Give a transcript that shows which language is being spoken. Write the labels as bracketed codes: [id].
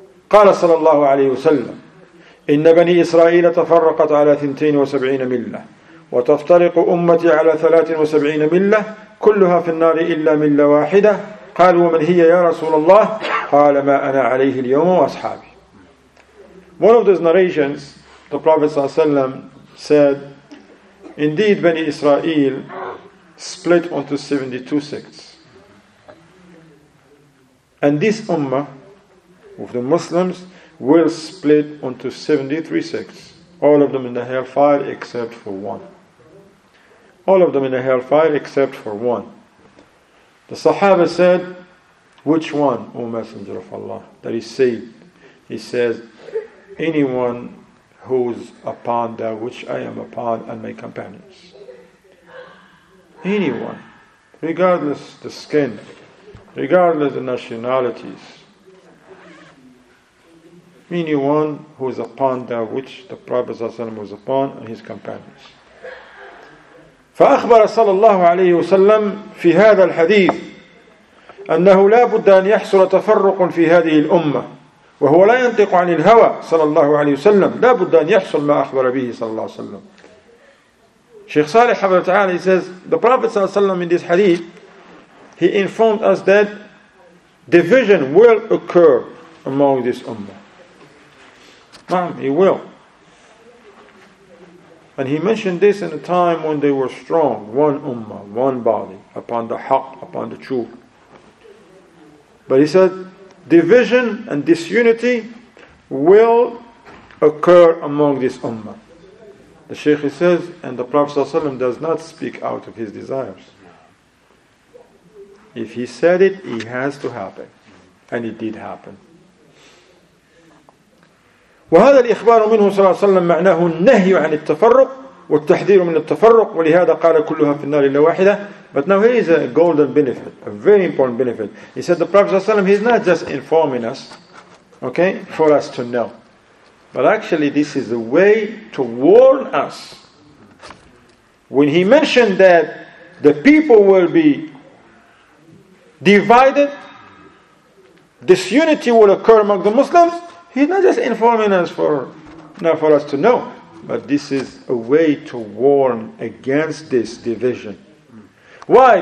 [ar] قال صلى الله عليه وسلم, إن بني إسرائيل تفرقت على 72 ملة وتفترق أمتي على 73 ملة كلها في النار إلا ملة واحدة. قال ومن هي يا رسول الله؟ قال ما أنا عليه اليوم وأصحابي. [en] One of those narrations, the Prophet [ar] صلى الله عليه وسلم [en] said, indeed Bani Israel split onto 72 sects, and this ummah of the Muslims will split onto 73 sects, all of them in the hellfire except for one. All of them in the hellfire except for one. The Sahaba said, which one, O Messenger of Allah, that is saved? He says, anyone who is upon that which I am upon and my companions. anyone, regardless the skin, regardless the nationalities. Anyone who is upon that which the Prophet was upon and his companions. [ar] فأخبر صلى الله عليه وسلم في هذا الحديث أنه لا بد أن يحصل تفرق في هذه الأمة وهو لا ينطق عن الهوى صلى الله عليه وسلم لا بد أن يحصل ما أخبر به صلى الله عليه وسلم. شيخ صالح حضرت تعالى [en] he says the Prophet [ar] صلى الله عليه وسلم [en] in this hadith he informed us that division will occur among this ummah. نعم, he will. And he mentioned this in a time when they were strong, one ummah, one body, upon the haqq, upon the truth. But he said, division and disunity will occur among this ummah. The Shaykh, he says, and the Prophet ﷺ does not speak out of his desires. If he said it, it has to happen. And it did happen. [ar] وهذا الإخبار منه صلى الله عليه وسلم معناه النهي عن التفرق والتحذير من التفرق ولهذا قال كلها في النار إلا واحدة. [en] But now here is a golden benefit, a very important benefit. He said the Prophet [ar] صلى الله عليه وسلم, [en] he's not just informing us, okay, for us to know. But actually this is a way to warn us. When he mentioned that the people will be divided, disunity will occur among the Muslims, he's not just informing us for us to know, but this is a way to warn against this division. Why?